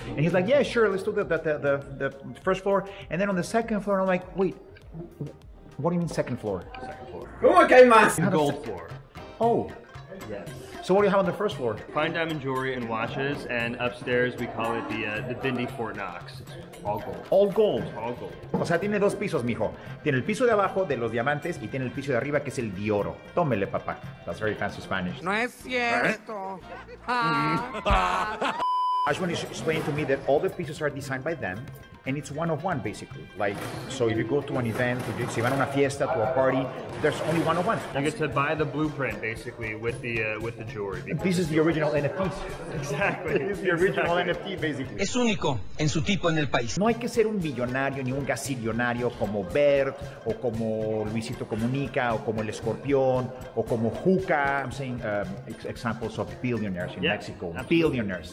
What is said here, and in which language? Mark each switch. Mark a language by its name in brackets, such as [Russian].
[English] And he's like, yeah, sure, let's do the first floor. And then on the second floor, I'm like, wait, what do you mean second floor? Second floor. Okay, Mas. Gold floor. home. Yes. So what do you have on the first floor? Fine diamond jewelry and watches, and upstairs we call it the Bindi Fort Knox. All gold. All gold. All gold. [Spanish] O sea, tiene dos pisos, mijo. Tiene el piso de abajo de los diamantes y tiene el piso de arriba que es el de oro. Tómele, papá. [English] That's very fancy Spanish. [Spanish] No es cierto. [English] Ashwin is explaining to me that all the pieces are designed by them, and it's one of one, basically. Like, so if you go to an event, if you, [Spanish] si van a una fiesta, [English] to a party, there's only one of one. You get to buy the blueprint, basically, with the jewelry. This is the original NFT. Exactly. This is the original NFT, basically. [Spanish] Es único en su tipo en el país. No hay que ser un millonario ni un gasillonario como Bert, o como Luisito Comunica, o como El Escorpión, o como Juca. [English] I'm saying examples of billionaires in Mexico. Absolutely. Billionaires.